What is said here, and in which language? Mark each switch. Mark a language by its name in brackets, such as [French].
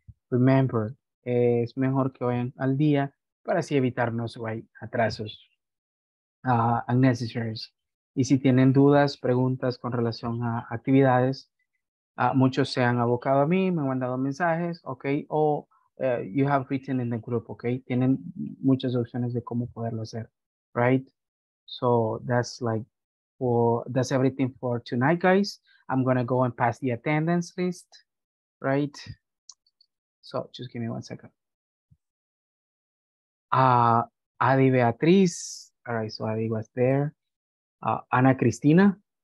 [Spanish] Remember, es mejor que vayan al día para así evitarnos, [English] right, [Spanish] atrasos unnecessary. Y si tienen dudas, preguntas con relación a actividades, muchos se han abocado a mí, me han mandado mensajes, ¿ok? [English] O you have written in the group, ¿ok? [Spanish] Tienen muchas opciones de cómo poderlo hacer, [English] right? So that's like, for, that's everything for tonight, guys. I'm going to go and pass the attendance list, right? So just give me 1 second. Adi Beatriz. All right, so Adi was there. Ana Cristina.